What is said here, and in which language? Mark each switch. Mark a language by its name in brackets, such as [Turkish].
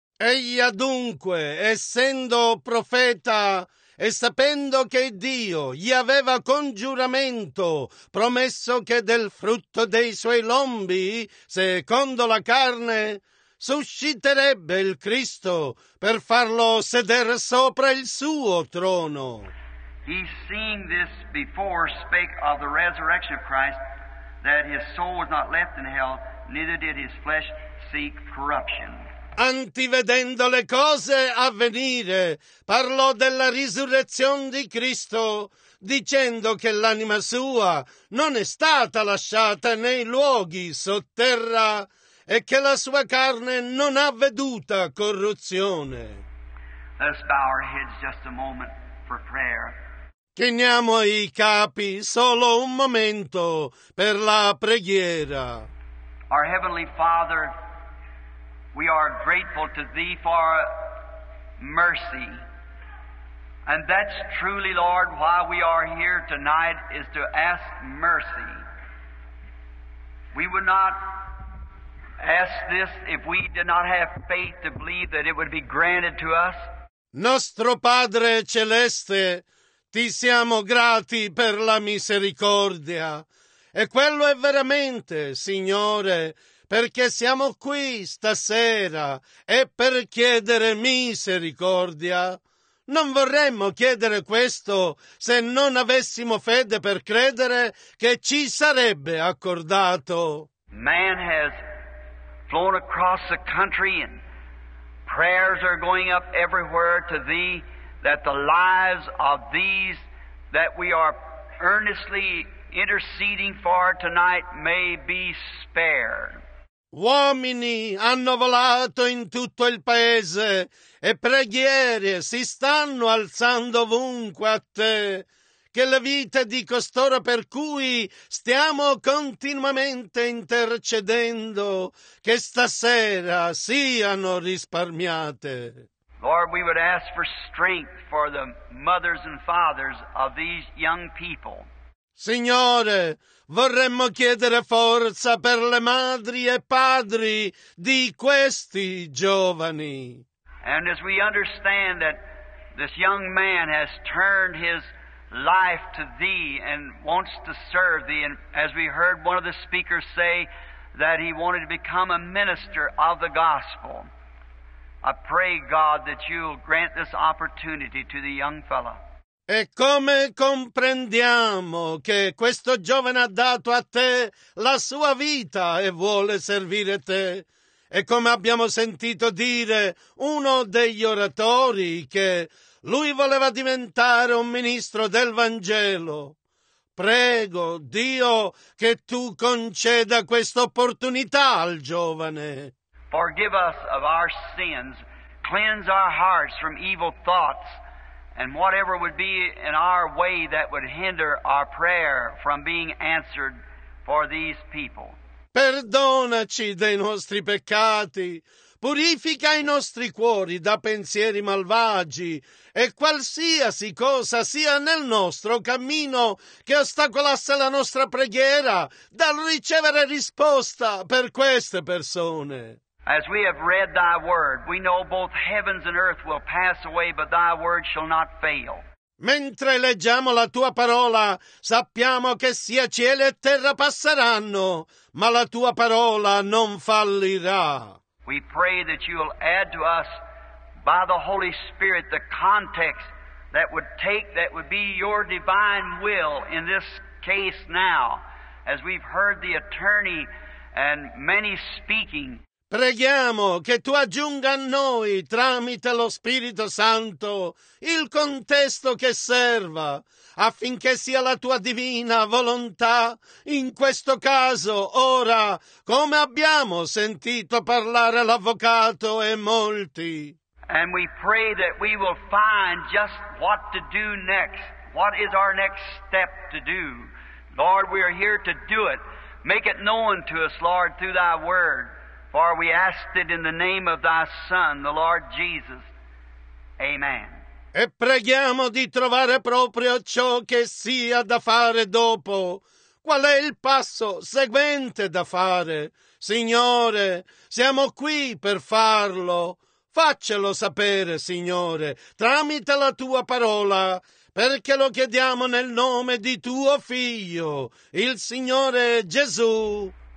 [Italian] Egli dunque, essendo profeta, e sapendo che Dio gli aveva con giuramento promesso che del frutto dei suoi lombi, secondo la carne, susciterebbe il Cristo per farlo sedere sopra il suo trono. [English] He seeing this before spake of the resurrection of Christ, that his soul was not left in hell, neither did his flesh seek corruption. [Italian] Antivedendo le cose a venire, parlò della risurrezione di Cristo, dicendo che l'anima sua non è stata lasciata nei luoghi sotterra e che la sua carne non ha veduta corruzione. [English] Let's bow our heads just a moment for prayer. [Italian] Chiniamo i capi solo un momento per la preghiera. [English] Our Heavenly Father, we are grateful to Thee for mercy. And that's truly, Lord, why we are here tonight, is to ask mercy. We would not ask this if we did not have faith to believe that it would be granted to us. [Italian] Nostro Padre Celeste, Ti siamo grati per la misericordia. E quello è veramente, Signore, perché siamo qui stasera e per chiedere misericordia. Non vorremmo chiedere questo se non avessimo fede per credere che ci sarebbe accordato. [English] Man has flown across the country and prayers are going up everywhere to thee that the lives of these that we are earnestly interceding for tonight may be spared. [Italian] Uomini hanno volato in tutto il paese e preghiere si stanno alzando ovunque a te, che le vite di costoro per cui stiamo continuamente intercedendo, che stasera siano risparmiate. [English] Lord, we would ask for strength for the mothers and fathers of these young people. [Italian] Signore, vorremmo chiedere forza per le madri e padri di questi giovani. [English] And as we understand that this young man has turned his life to thee and wants to serve thee, and as we heard one of the speakers say that he wanted to become a minister of the gospel, I pray, God, that you'll grant this opportunity to the young fellow. [Italian] E come comprendiamo che questo giovane ha dato a te la sua vita e vuole servire te? E come abbiamo sentito dire uno degli oratori che lui voleva diventare un ministro del Vangelo. Prego, Dio, che tu conceda questa opportunità al giovane. [English] Forgive us of our sins, cleanse our hearts from evil thoughts, and whatever would be in our way that would hinder our prayer from being answered for these people. [Italian] perdonaci dei nostri peccati, purifica i nostri cuori da pensieri malvagi e qualsiasi cosa sia nel nostro cammino che ostacolasse la nostra preghiera dal ricevere risposta per queste persone. [English] As we have read thy word, we know both heavens and earth will pass away, but thy word shall not fail. [Italian] Mentre leggiamo la tua parola, sappiamo che sia cielo e terra passeranno, ma la tua parola non fallirà. [English] We pray that you'll add to us by the Holy Spirit the context that would take, that would be your divine will in this case now, as we've heard the attorney and many speaking. [Italian] Preghiamo che tu aggiunga a noi, tramite lo Spirito Santo, il contesto che serva, affinché sia la tua divina volontà, in questo caso, ora, come abbiamo sentito parlare l'avvocato e molti. [English] And we pray that we will find just what to do next, what is our next step to do. Lord, we are here to do it. Make it known to us, Lord, through thy word. For we asked it in the name of thy Son, the Lord Jesus. Amen. [Italian] E preghiamo di trovare proprio ciò che sia da fare dopo. Qual è il passo seguente da fare? Signore, siamo qui per farlo. Faccelo sapere, Signore, tramite la tua parola, perché lo chiediamo nel nome di tuo Figlio, il Signore Gesù.